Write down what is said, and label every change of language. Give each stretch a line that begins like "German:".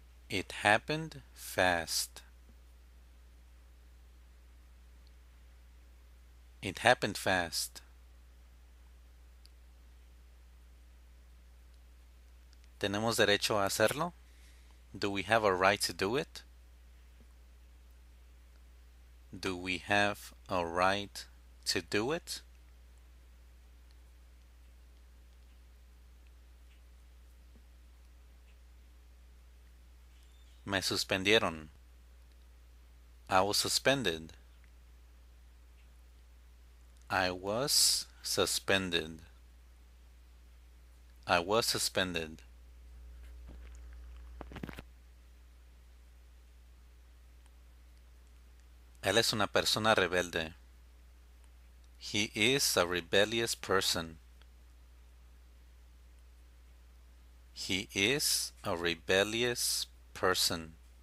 English: It happened fast. It happened fast.
Spanish: ¿Tenemos derecho a hacerlo?
English: Do we have a right to do it? Do we have a right to do it?
Spanish: Me suspendieron.
English: I was suspended. I was suspended. I was suspended.
Spanish: Él es una persona rebelde.
English: He is a rebellious person. He is a rebellious person.